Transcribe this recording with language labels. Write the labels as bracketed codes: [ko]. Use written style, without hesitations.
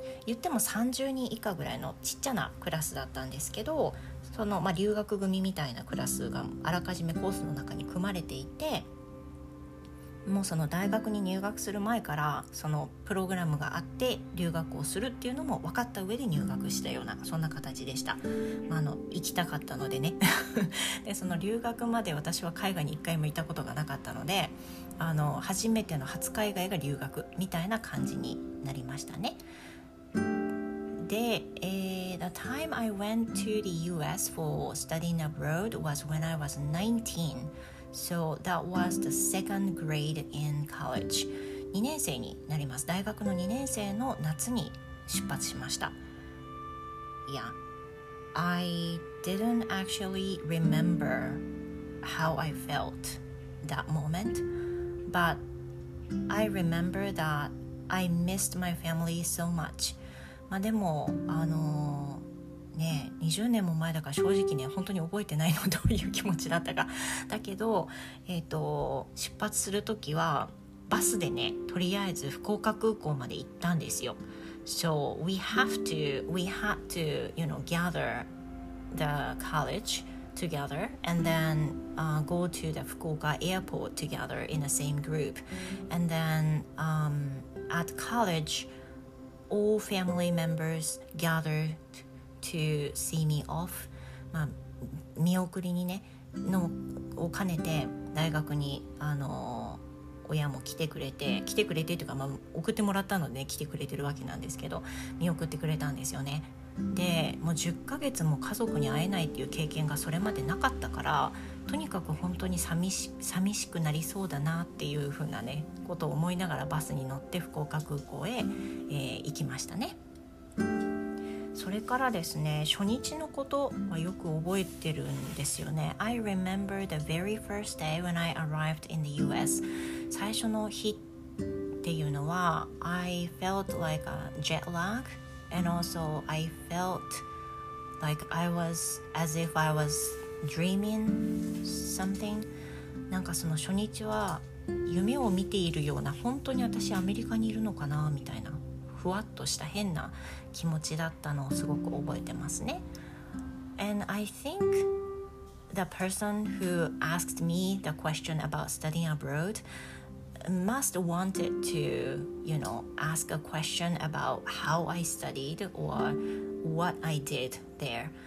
[ja] 言っても30人以下ぐらいのちっちゃなクラスだったんですけど、その、まあ、留学組みたいなクラスがあらかじめコースの中に組まれていて、もうその大学に入学する前からそのプログラムがあって留学をするっていうのも分かった上で入学したような、そんな形でした。まあ、行きたかったのでねでその留学まで私は海外に一回も行ったことがなかったので、初めての初海外が留学みたいな感じになりましたね。 [en] で、The time I went to the US for studying abroad was when I was 19. So that was the second grade in college. [ja] 2年生になります。大学の2年生の夏に出発しました。 [en] Yeah. I didn't actually remember how I felt that moment. But I remember that I missed my family so much. [ja] まあでも、ね、20年も前だから正直ね、本当に覚えてないのどういう気持ちだったか。だけど、出発するときはバスでね、とりあえず福岡空港まで行ったんですよ。 [en] So we had to, you know, gather the collegeTogether and then go to the Fukuoka airport together in the same group. And then at college, all family members gathered to see me off. [ja] まあ、見送りにね、を兼ねて大学に親も来てくれてというか、まあ、送ってもらったので、ね、来てくれてるわけなんですけど、見送ってくれたんですよね。でもう10ヶ月も家族に会えないっていう経験がそれまでなかったから、とにかく本当に寂しくなりそうだなっていう風なねことを思いながらバスに乗って福岡空港へ、行きましたね。それからですね、初日のことはよく覚えてるんですよね。 [en] I remember the very first day when I arrived in the US. [ja] 最初の日っていうのは [en] I felt like a jet lagAnd also, I felt like I was as if I was dreaming something. [ja] なんかその初日は夢を見ているような、本当に私アメリカにいるのかなみたいな、ふわっとした変な気持ちだったのをすごく覚えてますね。 [en] And I think the person who asked me the question about studying abroadmust wanted to, you know, ask a question about how I studied or what I did there.